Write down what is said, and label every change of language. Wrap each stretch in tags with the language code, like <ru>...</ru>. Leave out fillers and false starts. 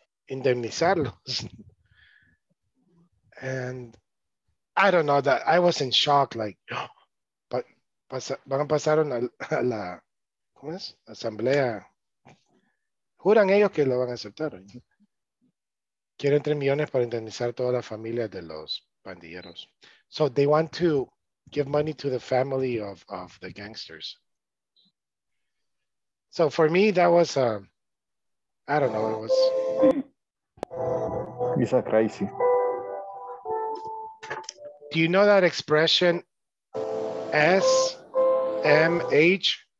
<en>Indemnizarlos. And I don't know that I was in shock, like,</en> <es>van a pasar a la, ¿cómo es? Asamblea. Juran ellos que lo van a aceptar. Quieren 3 millones para indemnizar todas las familias de los pandilleros.</es> <en>So they want to give money to the family of the gangsters. So for me, that was, I don't know, it was. It's a crazy. Do you know that expression SMH?</en>